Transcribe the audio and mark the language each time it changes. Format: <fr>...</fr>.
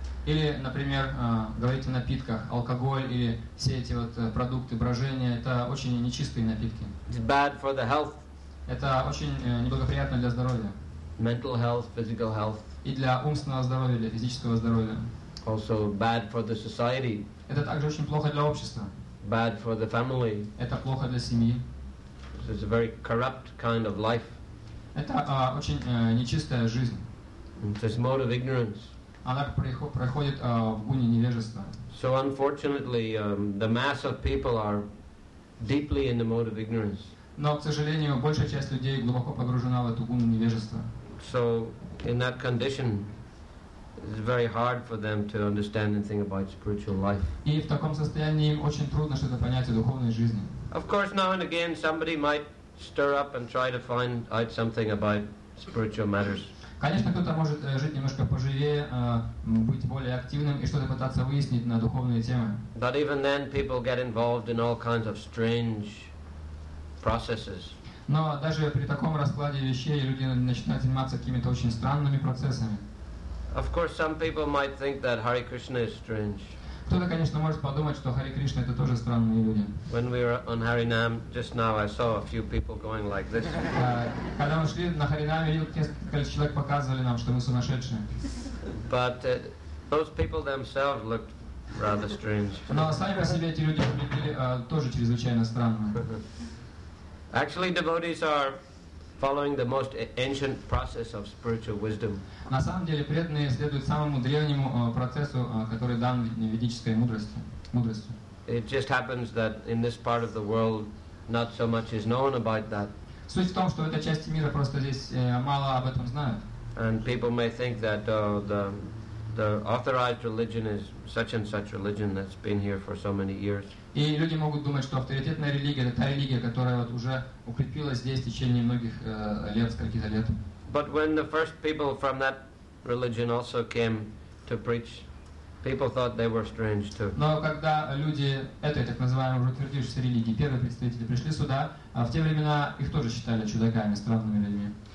<ru>Или, например, говорить о напитках, алкоголь или все эти вот продукты брожения, это очень нечистые напитки.</ru> <en>It's bad for the health.</en> <ru>Это очень неблагоприятно для здоровья.</ru> <en>Mental health, physical health.</en> <ru>И для умственного здоровья, для физического здоровья.</ru> <en>Also bad for the society.</en> <ru>Это также очень плохо для общества.</ru> <en>Bad for the family.</en> <ru>Это плохо для семьи.</ru> <en>This is a very corrupt kind of life.</en> <ru>Это очень нечистая жизнь.</ru> <en>This mode of ignorance.</en> <ru>Она проходит в гуне невежества.</ru> <en>So unfortunately, the mass of people are deeply in the mode of ignorance.</en> <ru>Но, к сожалению, большая часть людей глубоко погружена в эту гуну невежества.</ru> <en>So in that condition, it's very hard for them to understand anything about spiritual life.</en> <ru>И в таком состоянии им очень трудно что-то понять о духовной жизни.</ru> <en>Of course, now and again, somebody might stir up and try to find out something about spiritual matters.</en> <ru>Конечно, кто-то может жить немножко поживее, быть более активным и что-то пытаться выяснить на духовные темы.</ru> <en>But even then, people get involved in all kinds of strange processes.</en> <ru>Но даже при таком раскладе вещей люди начинают заниматься какими-то очень странными процессами.</ru> <en>Of course, some people might think that Hare Krishna is strange.</en> <ru>Кто-то, конечно, может подумать, что Хари Кришна это тоже странные люди.</ru> <en>When we were on Haranam just now, I saw a few people going like this.</en> <ru>Когда мы шли на Харинам, видел, несколько человек показывали нам, что мы сумасшедшие.</ru> <en>But those people themselves looked rather strange.</en> <ru>Но сами по себе эти люди выглядели тоже чрезвычайно странно.</ru> <en>Actually, devotees are following the most ancient process of spiritual wisdom.</en> <ru>На самом деле преданные следуют самому древнему процессу, который дан ведической мудрости.</ru> <en>It just happens that in this part of the world not so much is known about that.</en> <ru>Суть в том, что эта часть мира просто здесь мало об этом знают.</ru> <en>And people may think that the authorized religion is such and such religion that's been here for so many years.</en> <ru>И люди могут думать, что авторитетная религия это та религия, которая вот уже укрепилась здесь в течение многих лет, каких-то лет.</ru> <en>But when the first people from that religion also came to preach, people thought they were strange too.</en> <ru>Но когда люди этой так называемой уже утвердившейся религии, первые представители пришли сюда, а в те времена их тоже считали чудаками, странными людьми.</ru>